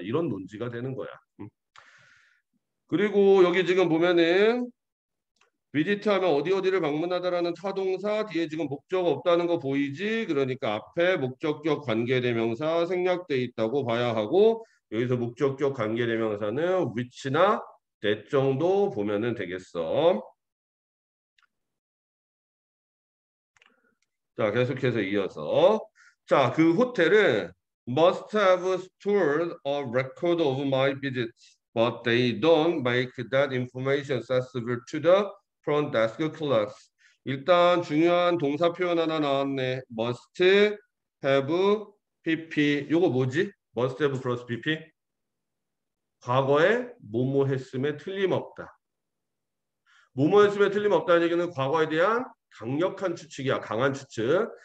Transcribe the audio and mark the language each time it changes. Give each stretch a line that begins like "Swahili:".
Korean: 이런 논지가 되는 거야. 그리고 여기 지금 보면은 비지트하면 어디 어디를 방문하다라는 타동사 뒤에 지금 목적 없다는 거 보이지? 그러니까 앞에 목적격 관계대명사 생략돼 있다고 봐야 하고 여기서 목적격 관계대명사는 which나 that 정도 보면은 되겠어. 자, 계속해서 이어서 자, 그 호텔은
English: must have stored a record of my visits. But they don't make that information accessible to the front desk clerks.
Korean: 일단 중요한 동사 표현 하나 나왔네.
English: Must have PP.
Korean: 요거 뭐지?
English: Must have plus PP.
Korean: 과거에 뭐뭐 했음에 틀림없다. 뭐뭐 했음에 틀림없다는 얘기는 과거에 대한 강력한 추측이야. 강한 추측.